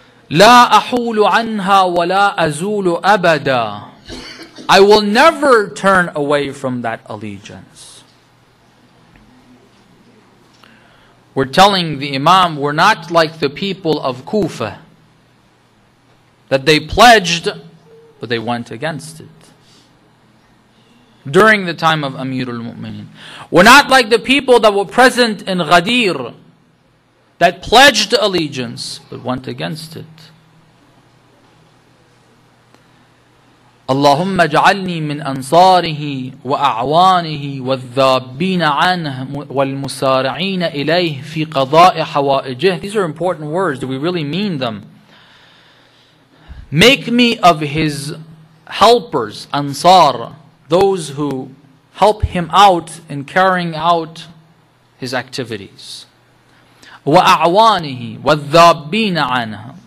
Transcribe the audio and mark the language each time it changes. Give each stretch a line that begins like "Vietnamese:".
Arabic: لا أحول عنها ولا أزول أبدا.
English: I will never turn away from that allegiance. We're telling the Imam, we're not like the people of Kufa, that they pledged, but they went against it during the time of Amirul Mu'mineen. We're not like the people that were present in Ghadir, that pledged allegiance, but went against it.
Arabic: اللهم اجعلني من أنصاره وأعوانه والذابين عنه والمسارعين إليه في قضاء حوائجه.
English: These are important words. Do we really mean them? Make me of his helpers, Ansar, those who help him out in carrying out his activities.
Arabic: وأعوانه والذابين عنه.